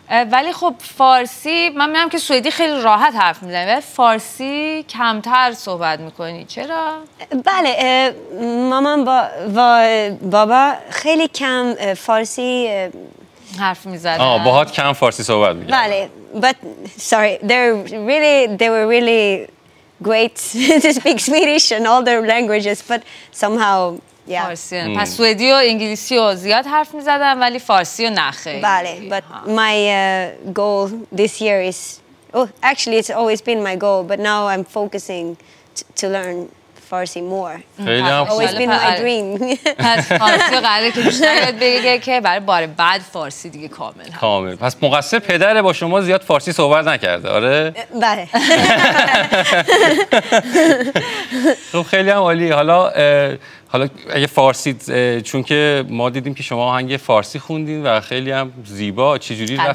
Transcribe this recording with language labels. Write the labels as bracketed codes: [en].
[fa] ولی خب فارسی، من میگم که سوئدی خیلی راحت حرف میزنی ولی فارسی کمتر صحبت میکنی، چرا؟ بله، مامان با بابا خیلی کم فارسی حرف میزدن. آه، باهات کم فارسی صحبت میکنی. بله، [en] but sorry, they were really great to speak Swedish and all their languages, but somehow [fa] فارسی. پس سوئدی و انگلیسی رو زیاد حرف می‌زدم ولی فارسی رو نه خیلی. بله، [en] but my goal this year is actually it's always been my goal but now I'm focusing to learn فارسی more. Always been my dream. [fa] پس فارسی قراره که بیشتر یاد بگیره که برای بار بعد فارسی دیگه کامل. کامل. پس مقصر پدره، با شما زیاد فارسی صحبت نکرده. آره؟ بله. خب خیلی هم عالی. حالا اگه فارسی، چون که ما دیدیم که شما آهنگ فارسی خوندین و خیلی هم زیبا، چجوری رفتی